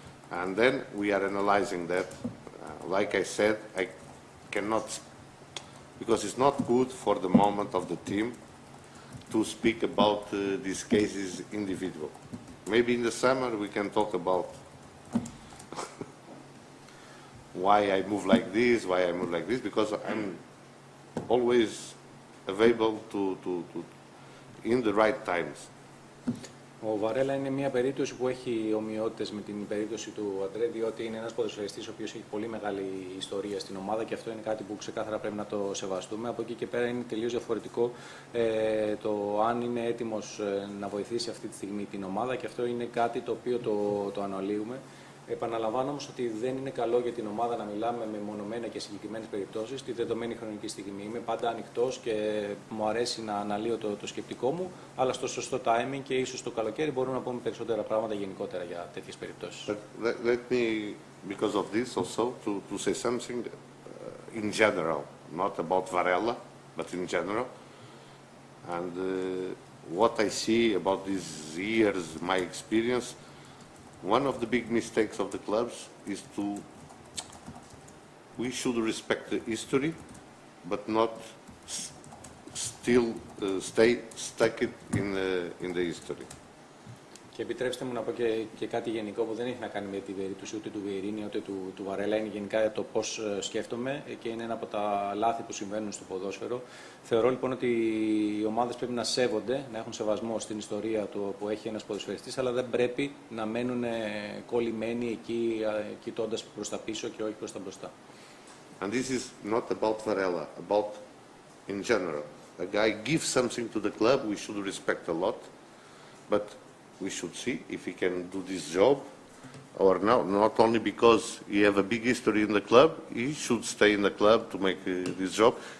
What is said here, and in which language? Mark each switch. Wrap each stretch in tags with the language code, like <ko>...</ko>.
<en>And then we are analyzing that. Like I said, I cannot, because it's not good for the moment of the team to speak about these cases individual. Maybe in the summer we can talk about why I move like this, why I move like this, because I'm always available in the right times.</en> <el>Ο Βαρέλα είναι μια περίπτωση που έχει ομοιότητες με την περίπτωση του Αντρέ, διότι είναι ένας ποδοσφαιριστής ο οποίος έχει πολύ μεγάλη ιστορία στην ομάδα και αυτό είναι κάτι που ξεκάθαρα πρέπει να το σεβαστούμε. Από εκεί και πέρα είναι τελείως διαφορετικό το αν είναι έτοιμος να βοηθήσει αυτή τη στιγμή την ομάδα και αυτό είναι κάτι το οποίο το αναλύουμε. Επαναλαμβάνω όμως ότι δεν είναι καλό για την ομάδα να μιλάμε με μονομένα και συγκεκριμένες περιπτώσεις τη δεδομένη χρονική στιγμή. Είμαι πάντα ανοιχτός και μου αρέσει να αναλύω το σκεπτικό μου, αλλά στο σωστό timing και ίσως το καλοκαίρι μπορούμε να πούμε περισσότερα πράγματα γενικότερα για τέτοιες περιπτώσεις.</el> <en>Let me, because of this also, to say something in general, not about Varela, but in general. And what I see about these years, my experience, one of the big mistakes of the clubs is to, we should respect the history, but not still stay stuck in the history.</en> <el>Και επιτρέψτε μου να πω και κάτι γενικό που δεν έχει να κάνει με την περίπτωση ούτε του Βιερίνη ούτε του Βαρέλα. Είναι γενικά το πώς σκέφτομαι και είναι ένα από τα λάθη που συμβαίνουν στο ποδόσφαιρο. Θεωρώ λοιπόν ότι οι ομάδες πρέπει να σέβονται, να έχουν σεβασμό στην ιστορία του που έχει ένας ποδοσφαιριστής, αλλά δεν πρέπει να μένουν κολλημένοι εκεί, κοιτώντας προς τα πίσω και όχι προς τα μπροστά.</el> <en>And this is not about Varela, about in general. A guy gives something to the club, we should respect a lot, but we should see if he can do this job or not. Not only because he have a big history in the club, he should stay in the club to make this job.</en>